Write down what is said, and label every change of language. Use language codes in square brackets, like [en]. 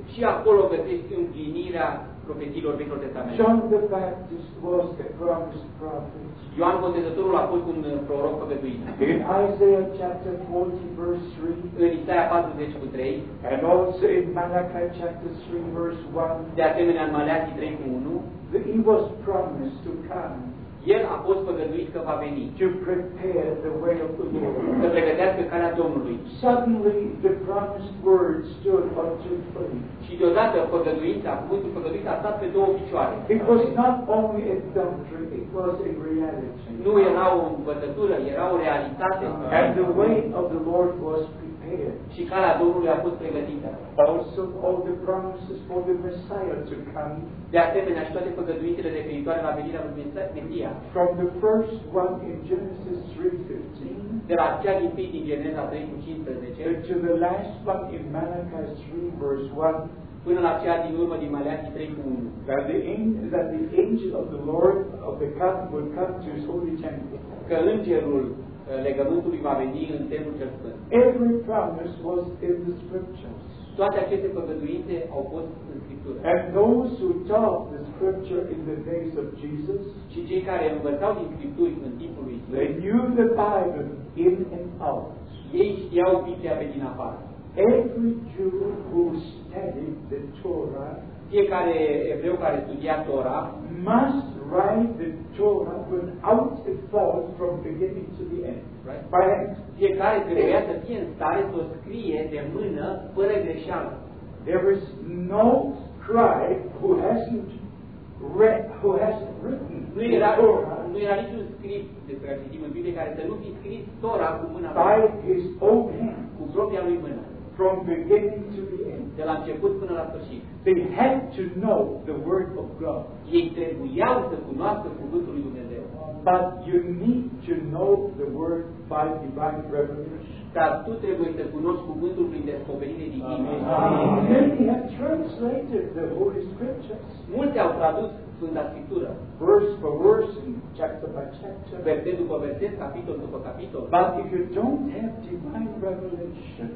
[ro] Și acolo găsești împlinirea profețiilor Vechiului Testament. [en] John the Baptist was a promised prophet. [ro] Ioan Botezătorul a fost un proroc făgăduit. [en] In Isaiah chapter 40 verse 3. [ro] În Isaia 40:3. [en] And also in Malachi chapter 3 verse 1. [ro] De asemenea în Maleachi 3:1. [en] That he was promised to come. [ro] El a fost făgăduit că va veni. [en] To prepare the way of the Lord. [ro] Să pregătească calea Domnului. [en] Suddenly the promised word stood on two feet. [ro] Și deodată făgăduința, cuvântul făgăduit a stat pe două picioare. [en] It was not only a doctrine, it was a reality. [ro] Nu era o învățătură, era o realitate. [en] And the way of the Lord was prepared. [ro] Și calea Domnului a fost pregătită. [en] Also all the promises for the Messiah to come. [ro] De asemenea, și toate făgăduințele referitoare la venirea lui Mesia. [en] From the first one in Genesis 3:15. [ro] De la cea din tâi din Geneza 3:15. [en] To the last one in Malachi 3 verse 1. [ro] Până la cea din urmă din Maleachi 3:1. [en] That the angel of the Lord of the covenant will come to his holy temple. [ro] Că îngerul legământului va veni în templul cel sfânt. [en] Every promise was in the scriptures. [ro] Toate aceste făgăduințe au fost în Scriptură. [en] And those who taught the Scripture in the days of Jesus, [ro] și cei care învățau din Scripturi în timpul lui Isus, [en] they knew the Bible in and out. [ro] Ei știau Biblia pe din afară. [en] Every Jew who studied the Torah, [ro] fiecare evreu care studia Tora, [en] must write the Torah without a fault from beginning to the end. Right. [ro] Fiecare trebuia să fie în stare să o scrie de mână fără greșeală. [en] There is no scribe who hasn't read, who hasn't written. [ro] Nu era Torah. Nu era niciun scrip de pe care citim în Biblie care să nu fi scris Torah cu mâna lui. [en] By his own hand. [ro] Cu propria lui mână. [en] From beginning to the end. [ro] De la început până la sfârșit. [en] They had to know the word of God. [ro] Ei trebuiau să cunoască cuvântul lui Dumnezeu. [en] But you need to know the word by divine revelation. [ro] Dar tu trebuie să cunoști cuvântul prin descoperire divină. [en] Many have translated the Holy Scriptures. [ro] Mulți au tradus Sfânta Scriptură. [en] Verse for verse and chapter by chapter. [ro] Verset după verset, capitol după capitol. [en] But if you don't have divine revelation,